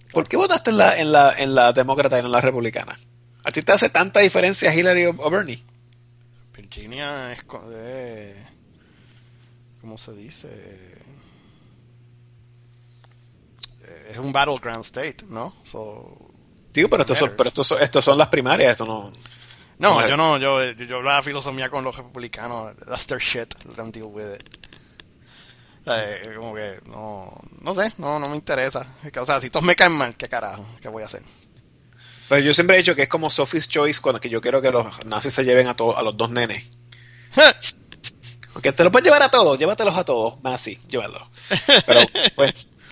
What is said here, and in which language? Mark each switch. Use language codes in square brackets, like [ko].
[es] ¿Por qué votaste en la demócrata y en la republicana? ¿A ti te hace tanta diferencia Hillary o Bernie? Virginia es de... ¿Cómo se dice? Es un battleground state, ¿no? [en] So, [es] tío, pero estos son las primarias, esto no... No, yo no, yo la filosofía con los republicanos, [en] that's their shit, don't deal with it. [es] Como que, no me interesa. O sea, si todos me caen mal, ¿qué carajo? ¿Qué voy a hacer? Pero yo siempre he dicho que es como Sophie's Choice, cuando que yo quiero que los nazis se lleven a los dos nenes. Porque te lo puedes llevar a todos, llévatelos a todos, nazis, llévalos. Pero, pues...